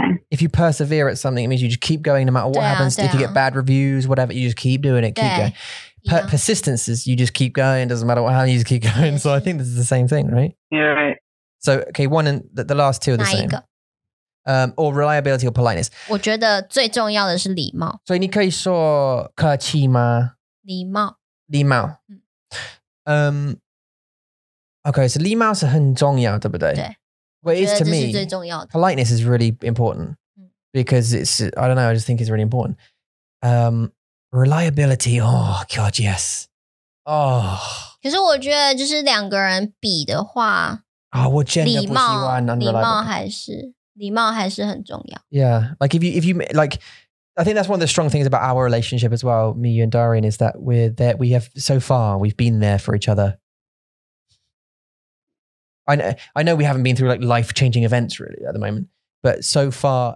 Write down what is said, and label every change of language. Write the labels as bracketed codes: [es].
[en] if you persevere at something, it means you just keep going no matter what happens. If you get bad reviews, whatever, you just keep doing it. Keep going. Persistence is you just keep going. Doesn't matter what happens, you just keep going. So I think this is the same thing, right? Yeah, right. So, okay, one and the last two are the same. Or reliability or politeness. [zh] 我觉得最重要的是礼貌。所以你可以说客气吗？礼貌。礼貌。 Okay, so 礼貌是很重要，对不对？对。 [en] But it is to me, [zh] 这是最重要的。 [en] Politeness is really important because it's, I don't know, I just think it's really important. Reliability, oh God, yes. Oh. [zh] 可是我觉得就是两个人比的话，啊，我真的不喜欢 unreliable。礼貌还是。礼貌还是很重要。 [en] Yeah, like if you like, I think that's one of the strong things about our relationship as well, me, you and Darian, is that we're there, we have so far, we've been there for each other. I know we haven't been through like life-changing events really at the moment, but so far...